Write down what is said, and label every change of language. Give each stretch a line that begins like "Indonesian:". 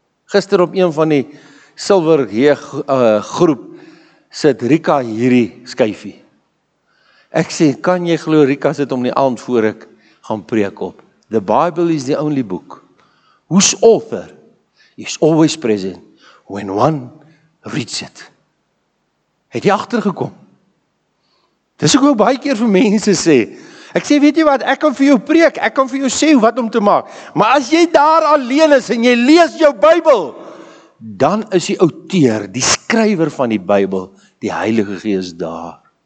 Afrikaans: Gister op een van die silwer groep sit Rika hierdie skyfie. Ek sê, kan jy glo Rika sit om die aand voor ek gaan preek op.
English: The Bible is the only book whose author is always present when one reads it.
Afrikaans: Het jy agtergekom? Dis ook hoe baie keer vir mense sê, ek sê, weet jy wat, ek kan vir jou preek, ek kan vir jou sê wat om te maak, maar as jy daar alleen is en jy lees jou Bybel, dan is die outeur, die skrywer van die Bybel, die Heilige Gees daar.